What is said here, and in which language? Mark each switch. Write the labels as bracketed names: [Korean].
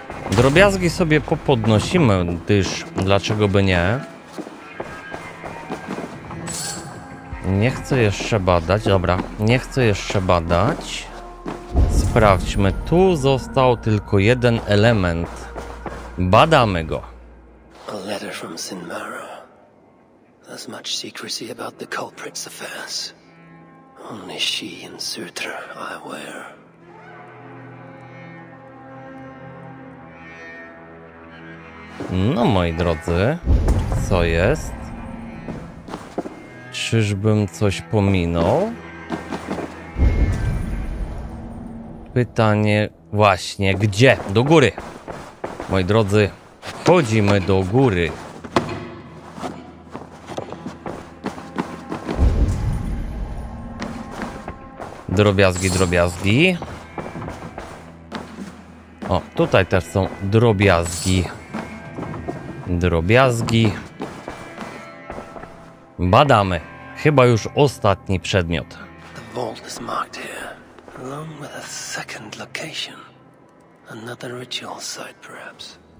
[Polish] Drobiazgi sobie popodnosimy, gdyż dlaczego by nie? Nie chcę jeszcze badać. Dobra, nie chcę jeszcze badać. Sprawdźmy. Tu został tylko jeden element. Badamy go. [English] A letter from Sinmara. There's much secrecy about the culprit's affairs. Only she and Sutra are aware. [Polish] No, moi drodzy, co jest? Czyżbym coś pominął? Pytanie właśnie, gdzie? Do góry. Moi drodzy, wchodzimy do góry. Drobiazgi, drobiazgi. O, tutaj też są drobiazgi. Drobiazgi. Badamy. Chyba już ostatni przedmiot. [English] The vault is marked here, along with a second location. Another ritual site, perhaps.